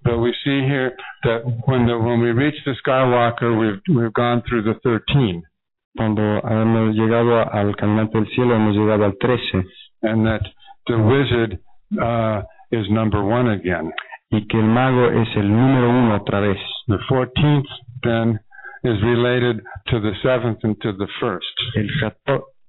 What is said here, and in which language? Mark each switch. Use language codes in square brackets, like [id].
[en] But we see here that when we reach the skywalker, we've gone through the 13. [es] Cuando hemos llegado al caminante del cielo, hemos llegado al 13. [en] And that the wizard is number one again. [es] Y que el mago es el número uno otra vez. [en] The 14th then is related to the seventh and to the first.